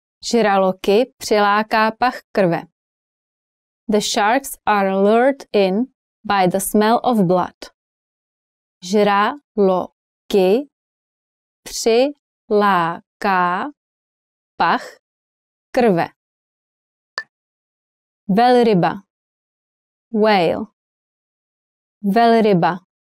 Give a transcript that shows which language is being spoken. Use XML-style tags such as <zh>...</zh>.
<cs>Žraloky přiláká pach krve.</cs> <en>The sharks are lured in by the smell of blood.</en> <cs>Žraloky přiláká pach krve. Velryba.</cs> <en>Whale.</en> <cs>Velryba.</cs>